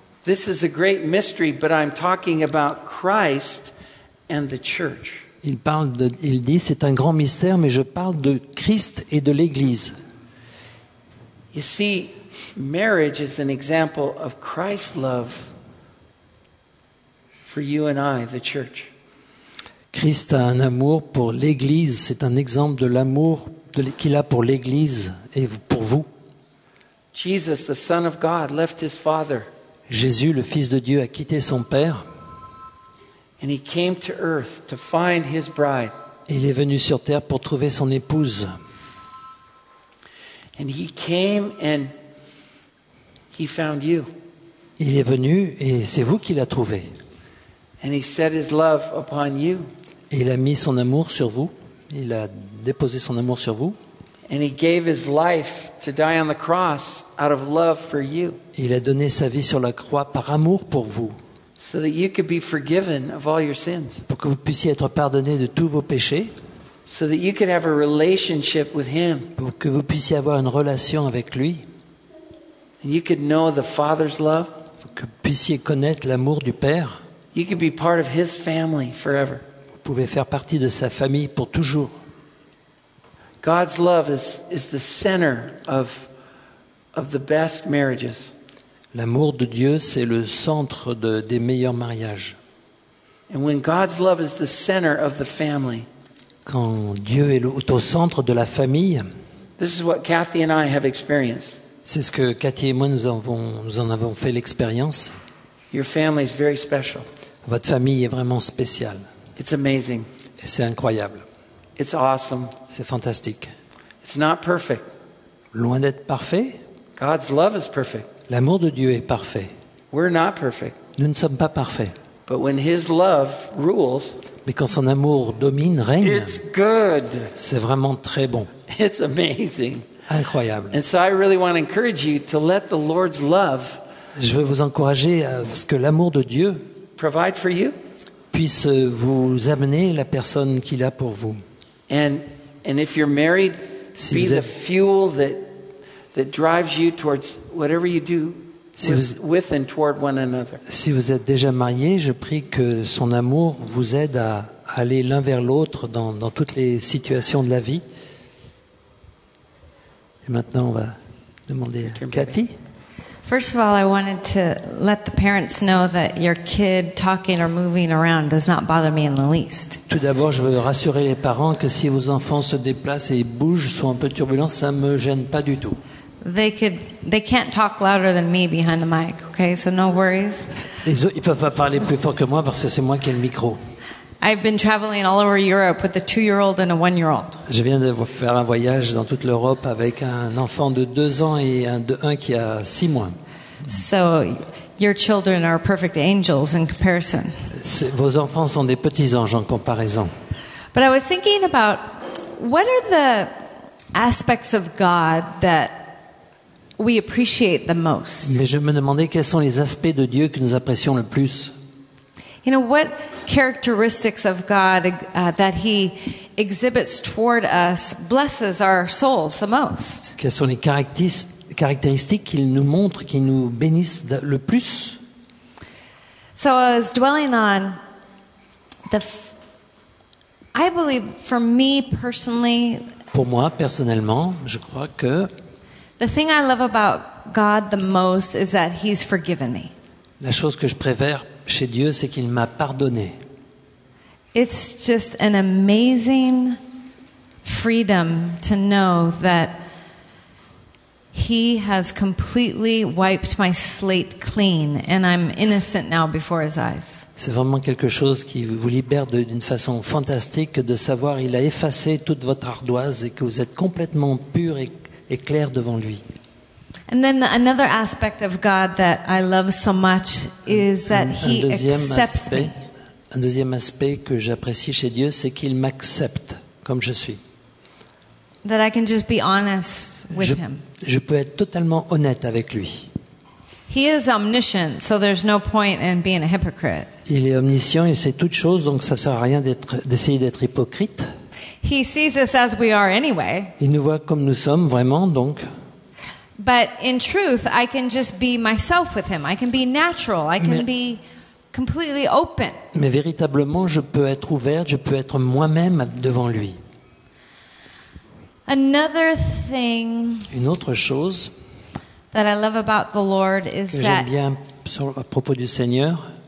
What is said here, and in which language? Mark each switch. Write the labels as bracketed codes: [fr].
[en] This is a great mystery, but I'm talking about Christ and the church. [fr] Il dit c'est un grand mystère, mais je parle de Christ et de l'Église. [en] You see, marriage is an example of Christ's love for you and I, the church. [fr] Christ a un amour pour l'Église. C'est un exemple de l'amour qu'il a pour l'Église et pour vous. [en] Jesus, the Son of God, left his father. [fr] Jésus, le Fils de Dieu, a quitté son Père. [en] And he came to earth to find his bride. [fr] Il est venu sur terre pour trouver son épouse. [en] And he came and he found you. [fr] Il est venu et c'est vous qu'il a trouvé. [en] And he set his love upon you. [fr] Et il a mis son amour sur vous. Il a déposé son amour sur vous. [en] And he gave his life to die on the cross out of love for you. [fr] Il a donné sa vie sur la croix par amour pour vous. [en] So that you could be forgiven of all your sins. [fr] Pour que vous puissiez être pardonné de tous vos péchés. [en] So that you could have a relationship with him. [fr] Pour que vous puissiez avoir une relation avec lui. [en] And you could know the Father's love. [fr] Pour que vous puissiez connaître l'amour du Père. [en] You could be part of his family forever. [fr] Vous pouvez faire partie de sa famille pour toujours. [en] God's love is the center of the best marriages. [fr] L'amour de Dieu, c'est le centre des meilleurs mariages. [en] And when God's love is the center of the family, [fr] quand Dieu est au centre de la famille, [en] this is what Kathy and I have experienced. [fr] C'est ce que Kathy et moi nous en avons fait l'expérience. [en] Your family is very special. [fr] Votre famille est vraiment spéciale. [en] It's amazing. [fr] Et c'est incroyable. [en] It's awesome. [fr] C'est fantastique. [en] It's not perfect. [fr] Loin d'être parfait. [en] God's love is perfect. [fr] L'amour de Dieu est parfait. [en] We're not perfect. [fr] Nous ne sommes pas parfaits. [en] But when his love rules, [fr] mais quand son amour domine, règne, [en] it's good. [fr] C'est vraiment très bon. [en] It's amazing. [fr] Incroyable. [en] And so I really want to encourage you to let the Lord's love, [fr] je veux vous encourager à ce que l'amour de Dieu [en] provide for you, [fr] puisse vous amener la personne qu'il a pour vous. [en] And if you're married, [fr] si [en] be [fr] vous [en] the fuel that drives you towards whatever you do [fr] si [en] with, [fr] vous, [en] with and toward one another. [fr] Si vous êtes déjà marié, je prie que son amour vous aide à aller l'un vers l'autre dans toutes les situations de la vie. Et maintenant, on va demander à Cathy. [en] First of all, I wanted to let the parents know that your kid talking or moving around does not bother me in the least. [fr] Tout d'abord, je veux rassurer les parents que si vos enfants se déplacent et bougent, sont un peu turbulents, ça me gêne pas du tout. [en] They can't talk louder than me behind the mic, okay? So no worries. [fr] Ils ne peuvent pas parler plus fort que moi parce que c'est moi qui ai le micro. [en] I've been traveling all over Europe with a 2-year-old and a 1-year-old. [fr] Je viens de faire un voyage dans toute l'Europe avec un enfant de 2 ans et un qui a 6 mois. [en] So your children are perfect angels in comparison. [fr] Vos enfants sont des petits anges en comparaison. [en] But I was thinking about what are the aspects of God that we appreciate the most. [fr] Mais je me demandais quels sont les aspects de Dieu que nous apprécions le plus. [en] You know, what characteristics of God that he exhibits toward us blesses our souls the most? [fr] Quelles sont les caractéristiques qu'il nous montre, qui nous bénissent le plus? [en] So I was dwelling on I believe for me personally, [fr] pour moi personnellement, je crois que [en] the thing I love about God the most is that he's forgiven me. [fr] La chose que je préfère chez Dieu, c'est qu'il m'a pardonné. [en] It's just an amazing freedom to know that he has completely wiped my slate clean and I'm innocent now before his eyes. [fr] C'est vraiment quelque chose qui vous libère d'une façon fantastique de savoir qu'il a effacé toute votre ardoise et que vous êtes complètement pur et clair devant lui. [en] And then another aspect of God that I love so much is that he accepts me. [fr] Un deuxième aspect que j'apprécie chez Dieu, c'est qu'il m'accepte comme je suis. [en] That I can just be honest with him. [fr] Je peux être totalement honnête avec lui. [en] He is omniscient, so there's no point in being a hypocrite. [fr] Il est omniscient, il sait toutes choses, donc ça sert à rien d'essayer d'être hypocrite. [en] He sees us as we are anyway. [fr] Il nous voit comme nous sommes vraiment, donc. [en] But in truth, I can just be myself with him. I can be natural. I can be completely open. [fr] Mais véritablement, je peux être ouverte, je peux être moi-même devant lui. [en] Another thing. [fr] Une autre chose. [en] That I love about the Lord is [fr] que j'aime bien à propos du Seigneur.